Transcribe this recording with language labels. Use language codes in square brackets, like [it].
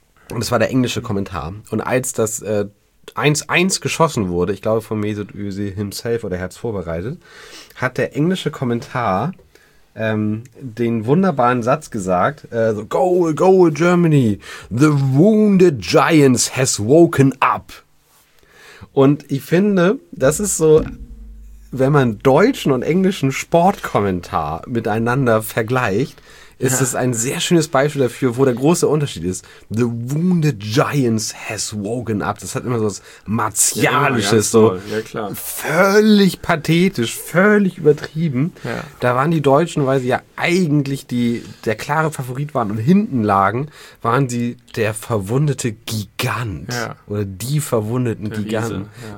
[de] Und das war der englische Kommentar. Und als das 1-1 geschossen wurde, ich glaube von Mesut Özil [en] himself [de] oder Herz vorbereitet, hat der englische Kommentar den wunderbaren Satz gesagt, so, [en] goal, goal, Germany, the wounded giants has woken up. [de] Und ich finde, das ist so, wenn man deutschen und englischen Sportkommentar miteinander vergleicht, ist es ein sehr schönes Beispiel dafür, wo der große Unterschied ist. [en] The wounded giants has woken up. [de] Das hat immer so was Martialisches. Ja, ja, klar. Völlig pathetisch, völlig übertrieben. Ja. Da waren die Deutschen, weil sie ja eigentlich der klare Favorit waren und hinten lagen, waren sie der verwundete Gigant. Ja. Oder die verwundeten der Giganten. Riese, ja.